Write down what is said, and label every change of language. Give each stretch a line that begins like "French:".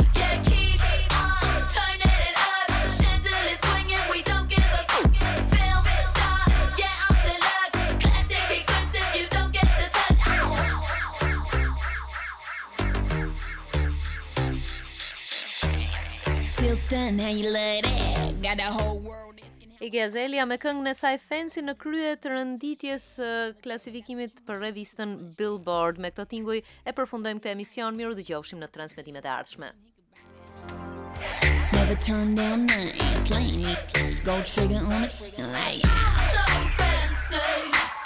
English: Yeah, keep on turning it up, chandelier swinging, we don't give a fuck. Film star, yeah, I'm deluxe, classic, expensive, you don't get to touch. Ow, ow, ow, ow, ow, ow. Still stunned how you love that, got the whole world.
Albanian: Iggy Azalea me këngën e saj Fancy në krye të rënditjes klasifikimit për revistën Billboard. Me këto tinguj e përfundojmë këtë emision. Miru dëgjofshim në transmetimet e ardhshme.
English: Never turn down nothing, slain, slain. Gold trigger on a trigger like, I'm so fancy.